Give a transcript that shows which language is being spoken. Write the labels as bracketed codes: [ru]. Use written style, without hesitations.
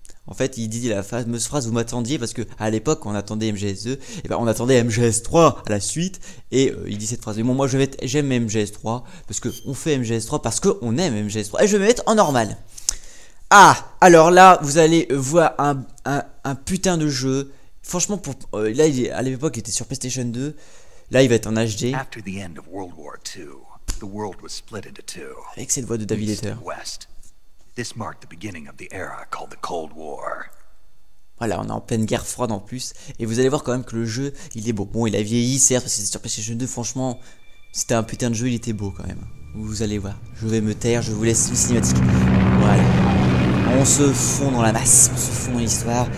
[fr] En fait, il dit la fameuse phrase « Vous m'attendiez » parce que à l'époque, on attendait MGS2, et on attendait MGS3 à la suite. Et il dit cette phrase. Mais bon, moi, j'aime MGS3 parce que on fait MGS3 parce que on aime MGS3. Et je vais me mettre en normal. Ah, alors là, vous allez voir un putain de jeu. Franchement, pour là, à l'époque, il était sur PlayStation 2. Là, il va être en HD. [en] After the end of World War II, the world was split into two. [fr] Avec cette voix de David Letter. [en] This marked the beginning of the era called the Cold War. [fr] Voilà, on est en pleine guerre froide en plus. Et vous allez voir quand même que le jeu, il est beau. Bon, il a vieilli, certes, parce que c'était sur PlayStation 2. Franchement, c'était un putain de jeu, il était beau quand même. Vous allez voir. Je vais me taire, je vous laisse une cinématique. Voilà. On se fond dans la masse, on se fond dans l'histoire.